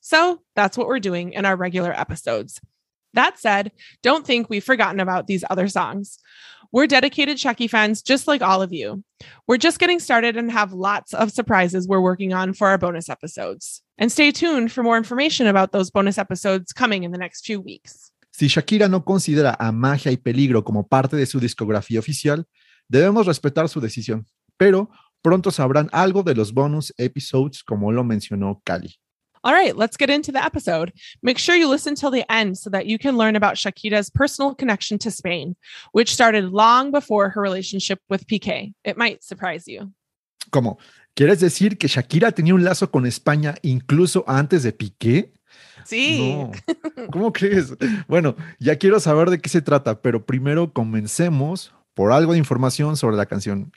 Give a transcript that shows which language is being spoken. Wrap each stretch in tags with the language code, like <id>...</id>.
<en>So that's what we're doing in our regular episodes. That said, don't think we've forgotten about these other songs. We're dedicated Shaki fans, just like all of you. We're just getting started and have lots of surprises we're working on for our bonus episodes. And stay tuned for more information about those bonus episodes coming in the next few weeks.</en> <es>Si Shakira no considera a Magia y Peligro como parte de su discografía oficial, debemos respetar su decisión. Pero pronto sabrán algo de los bonus episodes, como lo mencionó Cali.</es> <en>All right, let's get into the episode. Make sure you listen till the end so that you can learn about Shakira's personal connection to Spain, which started long before her relationship with Piqué. It might surprise you.</en> <es>¿Cómo? ¿Quieres decir que Shakira tenía un lazo con España incluso antes de Piqué? Sí. No. ¿Cómo crees? Bueno, ya quiero saber de qué se trata, pero primero comencemos por algo de información sobre la canción.</es>